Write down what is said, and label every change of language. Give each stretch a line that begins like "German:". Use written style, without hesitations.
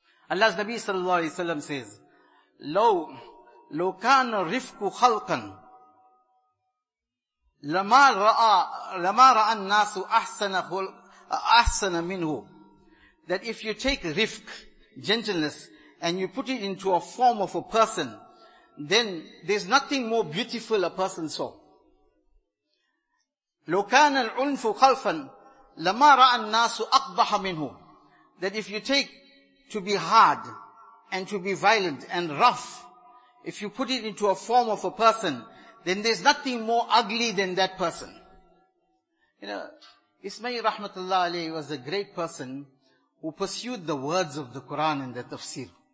English: Allah's Nabi sallallahu alayhi wa sallam says,
Arabic: لَوْ كَانَ رِفْقُ خَلْقًا لَمَا رَأَ النَّاسُ أَحْسَنَ مِنْهُ.
English: That if you take rifq, gentleness, and you put it into a form of a person, then there's nothing more beautiful a person saw.
Arabic: لو كان العنف خلفا لما رأى الناس أقبح منه.
English: That if you take to be hard and to be violent and rough, if you put it into a form of a person, then there's nothing more ugly than that person. You know, Ismail rahmatullah alayhi was a great person who pursued the words of the Quran and the tafsir.